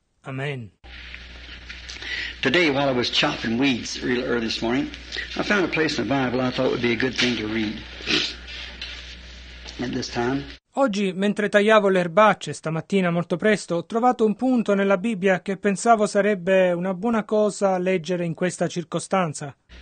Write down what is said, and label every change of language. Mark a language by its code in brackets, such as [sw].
[en] Amen. Today, while I was chopping weeds real early this morning, I found a place in the Bible I thought would be a good thing to read at this time. [it] Oggi, mentre tagliavo le erbacce, stamattina molto presto, ho trovato un punto nella Bibbia che pensavo sarebbe una buona cosa leggere in questa circostanza.